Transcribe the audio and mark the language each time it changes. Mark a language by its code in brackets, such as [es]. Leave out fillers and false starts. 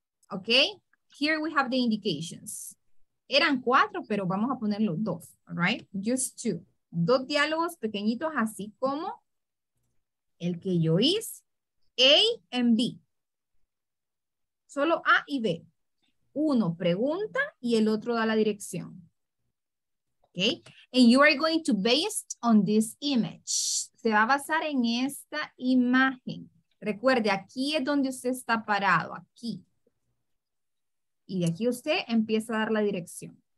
[en] Okay. Here we have the indications. [es] Eran cuatro, pero vamos a ponerlo dos. [en] All right. Just two. [es] Dos diálogos pequeñitos, así como el que yo hice, A and B. Solo A y B. uno pregunta y el otro da la dirección. [en] Okay? And you are going to based on this image. [es] Se va a basar en esta imagen. Recuerde, aquí es donde usted está parado, aquí. Y de aquí usted empieza a dar la dirección.